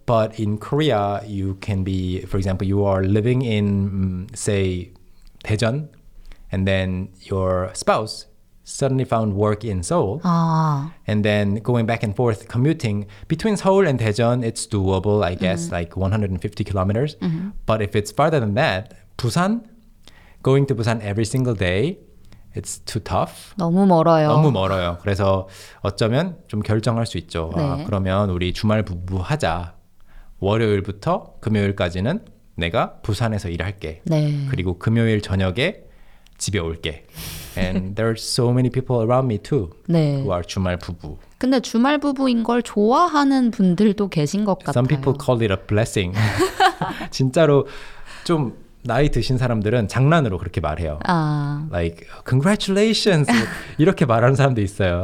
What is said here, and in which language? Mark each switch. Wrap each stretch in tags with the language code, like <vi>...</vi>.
<en>But in Korea, you can be, for example, you are living in, say, 대전, and then your spouse suddenly found work in Seoul. And then going back and forth commuting between Seoul and Daejeon, it's doable, I guess, mm-hmm. like 150 kilometers. Mm-hmm. But if it's farther than that, Busan, going to Busan every single day, it's too tough.</en> <ko>너무 멀어요. 너무 멀어요. 그래서 어쩌면 좀 결정할 수 있죠. 네. 아, 그러면 우리 주말 부부 하자. 월요일부터 금요일까지는 내가 부산에서 일할게. 네. 그리고 금요일 저녁에 집에 올게.</ko> <en>And there are so many people around me too</en> <ko>네.</ko> <en>who are 주말 부부.</en> <ko>근데 주말 부부인 걸 좋아하는 분들도 계신 것 같아요.</ko> <en>Some people call it a blessing.</en> <ko>진짜로 좀 나이 드신 사람들은 장난으로 그렇게 말해요. 아.</ko> <en>Like, congratulations!</en> <ko>이렇게 말하는 사람도 있어요.</ko>